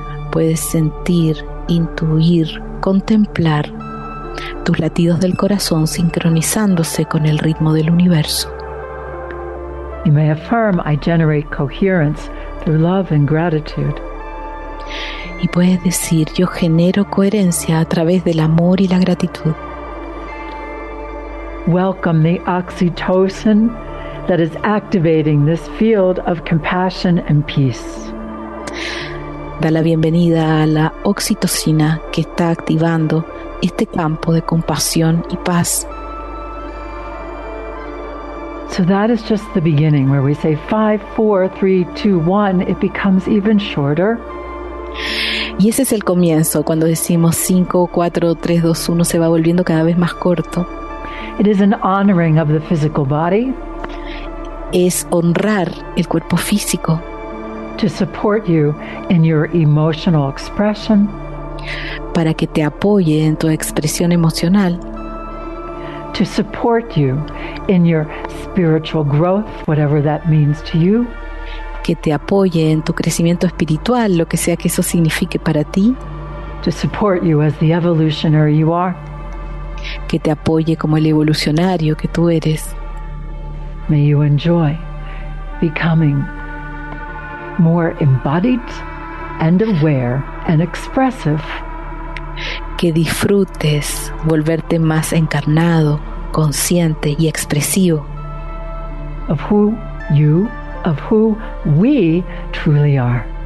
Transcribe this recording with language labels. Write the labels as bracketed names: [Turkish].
[Spanish] Puedes sentir, intuir, contemplar tus latidos del corazón sincronizándose con el ritmo del universo. [English] You may affirm, I generate coherence through love and gratitude. [Spanish] Y puedes decir, yo genero coherencia a través del amor y la gratitud. [English] Welcome the oxytocin that is activating this field of compassion and peace. [Spanish] Da la bienvenida a la oxitocina que está activando este campo de compasión y paz. [English] So that is just the beginning where we say 5, 4, 3, 2, 1, it becomes even shorter. [Spanish] Y ese es el comienzo, cuando decimos 5, 4, 3, 2, 1, se va volviendo cada vez más corto. [English] It is an honoring of the physical body. [Spanish] Es honrar el cuerpo físico. [English] To support you in your emotional expression. [Spanish] Para que te apoye en tu expresión emocional. [English] To support you in your spiritual growth, whatever that means to you. [Spanish] Que te apoye en tu crecimiento espiritual, lo que sea que eso signifique para ti. [English] To support you as the evolutionary you are. [Spanish] Que te apoye como el evolucionario que tú eres. [English] May you enjoy becoming more embodied and aware and expressive. [Spanish] Que disfrutes volverte más encarnado, consciente y expresivo. [English] Of who you, of who we truly are.